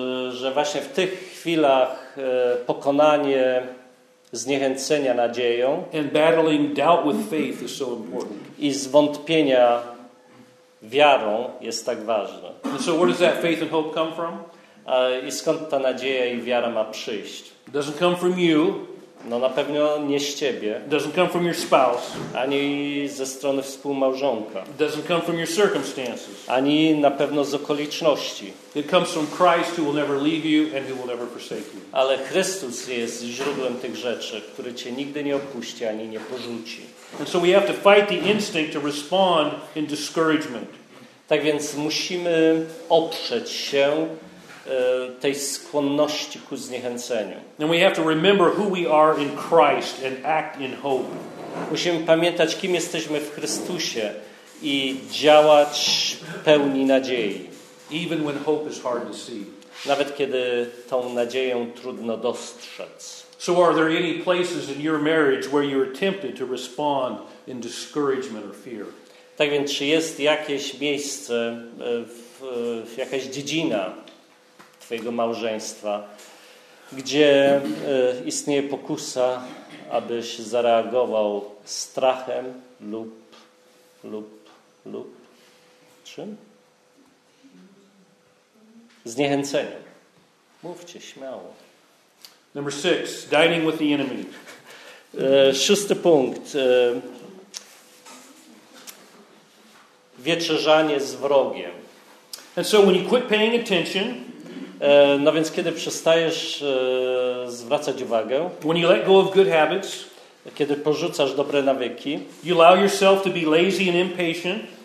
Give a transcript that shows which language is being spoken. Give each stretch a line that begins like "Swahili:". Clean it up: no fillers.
Polish: Że właśnie w tych chwilach pokonanie zniechęcenia nadzieją
English: and battling doubt with faith is so important.
Polish: I zwątpienia wiarą jest tak ważne.
English: And so where does that faith and hope come from?
Polish: I skąd ta nadzieja i wiara ma przyjść?
English: Doesn't come from you.
Polish: No na pewno nie z ciebie.
English: Doesn't come from your spouse.
Polish: Ani ze strony współmałżonka.
English: Doesn't come from your circumstances.
Polish: Ani na pewno z okoliczności.
English: It comes from Christ, who will never leave you and who will never forsake you.
Polish: Ale Chrystus jest źródłem tych rzeczy, który cię nigdy nie opuści ani nie porzuci.
English: And so we have to fight the instinct to respond in discouragement.
Polish: Tak więc musimy oprzeć się tej skłonności ku zniechęceniu.
English: And we have to remember who we are in Christ and act in hope.
Polish: Musimy pamiętać, kim jesteśmy w Chrystusie i działać pełni nadziei.
English: Even when hope is hard to see.
Polish: Nawet kiedy tą nadzieję trudno dostrzec.
English: So are there any places in your marriage where you are tempted to respond in discouragement or fear?
Polish: Tak więc, czy jest jakieś miejsce, w jakaś dziedzina twojego małżeństwa, gdzie istnieje pokusa, abyś zareagował strachem lub czym? Zniechęceniem. Mówcie śmiało.
English: Number six, dining with the enemy.
Polish: Szósty punkt. Wieczerzanie z wrogiem.
English: And so when you quit paying attention,
Polish: no więc kiedy przestajesz zwracać uwagę,
English: when you let go of good habits,
Polish: kiedy porzucasz dobre nawyki,
English: you allow yourself to be lazy and impatient,